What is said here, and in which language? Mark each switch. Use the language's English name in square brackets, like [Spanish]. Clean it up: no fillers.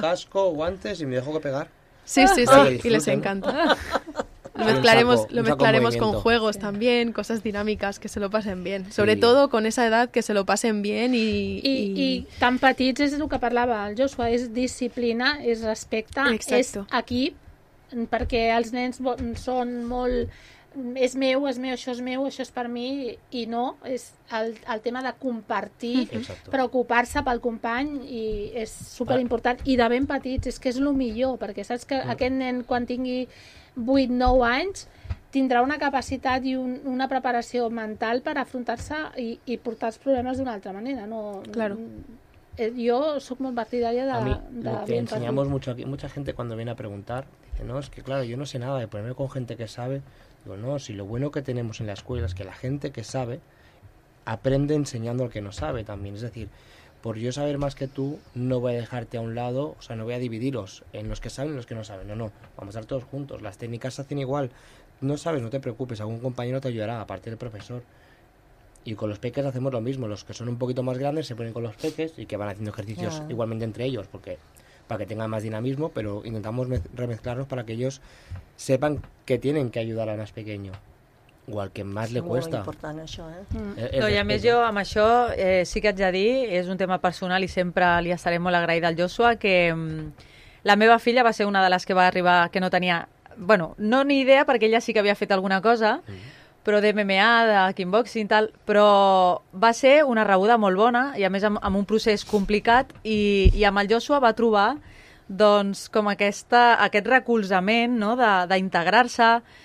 [Spanish] Me pongo casco, guantes y me dejo que pegar. Sí, sí, sí. Ah, y les encanta. Saco, lo mezclaremos con juegos sí. también, cosas dinámicas, que se lo pasen bien. Sobre sí. todo con esa edad, que se lo pasen bien. Y tan petits es lo que hablaba el Joshua, es disciplina, es respecte, exacto. [Catalan] es equip, perquè els nens són molt és meu, això és meu, això és per mi, i no, és el tema de compartir, preocupar-se pel company, i és superimportant, i de ben petits, és que és el millor, perquè saps que aquest nen, quan tingui 8-9 anys, tindrà una capacitat i una preparació mental per afrontar-se i portar els problemes d'una altra manera. [Spanish] No, claro. Yo soy muy partidaria de... A mí, te enseñamos mucho aquí. Mucha gente cuando viene a preguntar, dice, no, es que claro, yo no sé nada, de ponerme con gente que sabe. Digo, no, si lo bueno que tenemos en la escuela es que la gente que sabe aprende enseñando al que no sabe también. Es decir, por yo saber más que tú, no voy a dejarte a un lado, o sea, no voy a dividiros en los que saben y los que no saben. No, no, vamos a estar todos juntos. Las técnicas se hacen igual. No sabes, no te preocupes, algún compañero te ayudará, aparte del profesor. Y con los peques hacemos lo mismo, los que son un poquito más grandes se ponen con los peques y que van haciendo ejercicios igualmente entre ellos, porque para que tengan más dinamismo, pero intentamos remezclarlos para que ellos sepan que tienen que ayudar al más pequeño. O al que más sí, le cuesta. Muy importante eso, ¿eh? [Catalan] No, y a més jo, amb això, sí que haig de dir, és un tema personal i sempre li estaré molt agraïda al Joshua, que la meva filla va ser una de les que va arribar, que no tenia, bueno, no ni idea, perquè ella sí que havia fet alguna cosa, però de MMA, de kickboxing, tal, però va ser una rebuda molt bona i a més amb un procés complicat i amb el Joshua va trobar doncs com aquest recolzament, no, d'integrar-se.